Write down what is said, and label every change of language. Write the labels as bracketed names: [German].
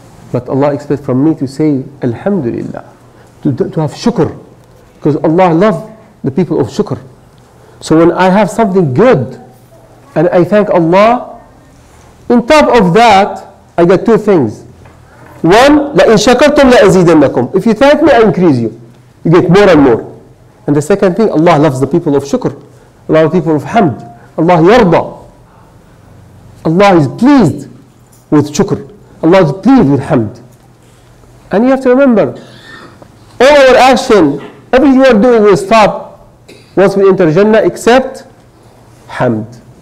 [English] But Allah expects from me to say, Alhamdulillah, to have shukr. Because Allah loves the people of shukr. So when I have something good, and I thank Allah, on top of that, I get two things. [Arabic] One, لَإِن شَكَرْتُمْ لَأَزِيدَنَّكُمْ. [English] If you thank me, I increase you. You get more and more. And the second thing, Allah loves the people of shukr, Allah loves the people of hamd. Allah yarda. Allah is pleased with shukr. Allah is pleased with hamd. And you have to remember, all our action, everything we are doing will stop once we enter Jannah except hamd.